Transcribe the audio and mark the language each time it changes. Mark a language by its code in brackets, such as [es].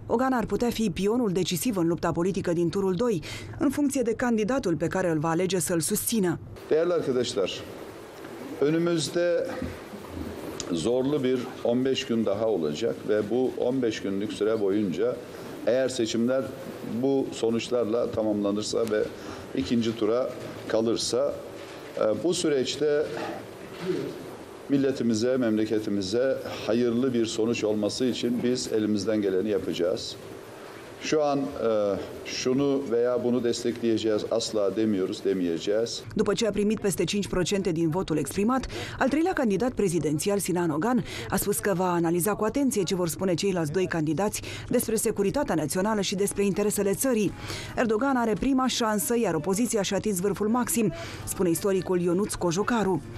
[ro] Ogan ar putea fi pionul decisiv în lupta politică din turul 2, în funcție de candidatul pe care îl va alege să-l susțină. [tr] Değerli arkadaşlar, önümüzde zorlu bir 15 gün daha olacak ve bu 15 günlük süre boyunca eğer seçimler bu sonuçlarla tamamlanırsa ve ikinci tura kalırsa bu süreçte milletimize, memleketimize hayırlı bir sonuç olması için biz elimizden geleni yapacağız. Şu an şunu veya bunu destekleyeceğiz asla demiyoruz, demeyeceğiz. [ro] După ce a primit peste 5% din votul exprimat, al treilea candidat prezidențial, Sinan Ogan, a spus că va analiza cu atenție ce vor spune ceilalți doi candidați despre securitatea națională și despre interesele țării. Erdogan are prima șansă, iar opoziția și-a atins vârful maxim, spune istoricul Ionuț Cojocaru.